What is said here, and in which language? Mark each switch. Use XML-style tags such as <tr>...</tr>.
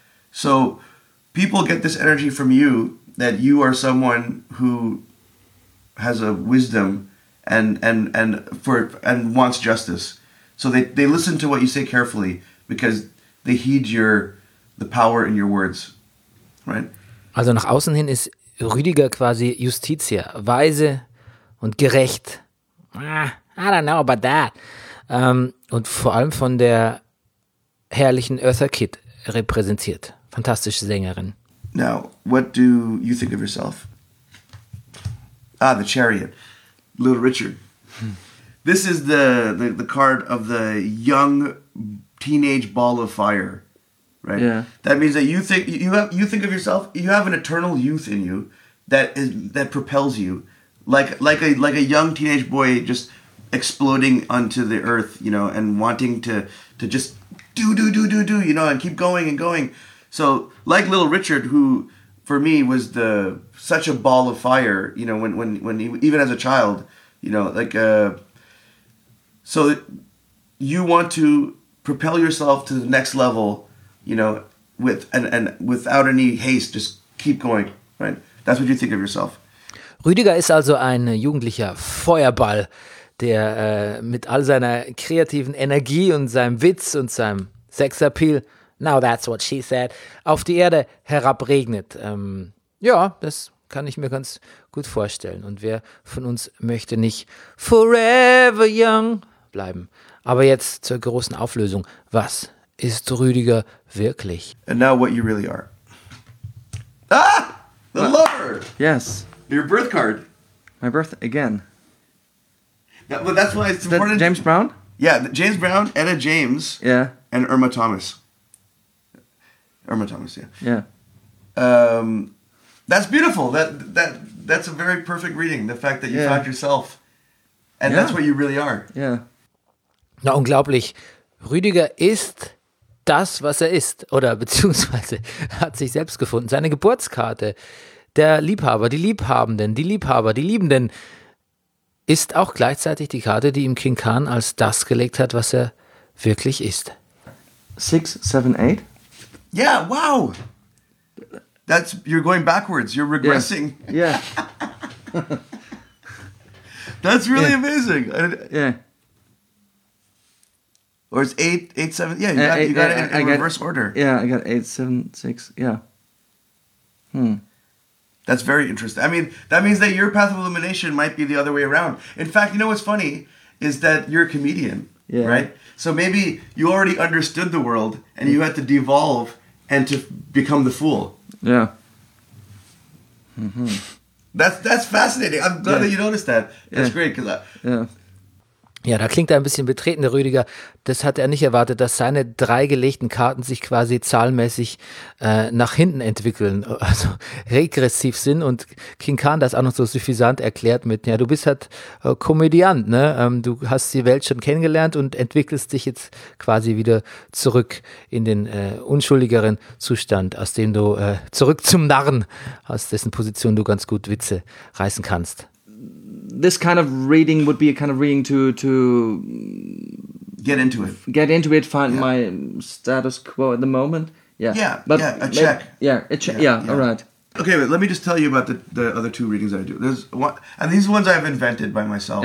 <en>So people get this energy from you that you are someone who has a wisdom and wants justice. So they listen to what you say carefully because they heed the power in your words. Right?</en> <de>Also nach außen hin ist Rüdiger quasi Justitia, weise und gerecht.</de> <en>I don't know about that.</en> <de>Und vor allem von der herrlichen Eartha Kitt repräsentiert. Fantastische Sängerin.</de> <en>Now, what do you think of yourself? Ah, the Chariot. Little Richard. This is the card of the young teenage ball of fire. Right? Yeah. That means that you think of yourself, you have an eternal youth in you that propels you. Like a young teenage boy just exploding onto the earth, you know, and wanting to just do, you know, and keep going and going. So like Little Richard, who for me was such a ball of fire, you know, when he, even as a child, you know, like, so you want to propel yourself to the next level, you know, and without any haste, just keep going, right? That's what you think of yourself.</en> <de>Rüdiger ist also ein jugendlicher Feuerball, der mit all seiner kreativen Energie und seinem Witz und seinem Sexappeal,</de> <en>now that's what she said,</en> <de>auf die Erde herabregnet. Ja, das kann ich mir ganz gut vorstellen. Und wer von uns möchte nicht</de> <en>forever young</en> <de>bleiben? Aber jetzt zur großen Auflösung. Was ist Rüdiger wirklich?</de> <en>And now what you really are. Ah! The lover! Yes. Your birth card. My birth again. Yeah, but that's why it's important. That James Brown? Yeah, James Brown, Etta James, yeah, and Irma Thomas. Irma Thomas, yeah. Yeah. That's beautiful. That's a very perfect reading, the fact that you found yourself. And that's what you really are. Yeah.</en> <de>Na, unglaublich. Rüdiger ist das, was er ist. Oder beziehungsweise hat sich selbst gefunden. Seine Geburtskarte. Der Liebhaber, die Liebhabenden, die Liebhaber, die Liebenden. ist auch gleichzeitig die Karte, die ihm King Khan als das gelegt hat, was er wirklich ist.</de> <en>6, 7, 8. Yeah, wow. That's, you're going backwards. You're regressing. Yeah. That's really amazing. Yeah. Or it's 8, 8, 7. Yeah, you got it in reverse order. Yeah, I got 8, 7, 6. Yeah. That's very interesting. I mean, that means that your path of illumination might be the other way around. In fact, you know what's funny is that you're a comedian, right? So maybe you already understood the world and you had to devolve and to become the fool. Yeah. That's fascinating. I'm glad that you noticed that. That's great. Cause</en> <de>Ja, da klingt er ein bisschen betreten, der Rüdiger. Das hat er nicht erwartet, dass seine drei gelegten Karten sich quasi zahlenmäßig nach hinten entwickeln, also regressiv sind. Und King Khan das auch noch so suffisant erklärt mit, ja, du bist halt Komödiant, ne? Du hast die Welt schon kennengelernt und entwickelst dich jetzt quasi wieder zurück in den unschuldigeren Zustand, aus dem du zurück zum Narren, aus dessen Position du ganz gut Witze reißen kannst.</de> <en>This kind of reading would be a kind of reading to get into it. Find my status quo at the moment. Yeah. Yeah. But yeah. A check. All right. Okay, but let me just tell you about the other two readings that I do. There's one, and these ones I've invented by myself.</en>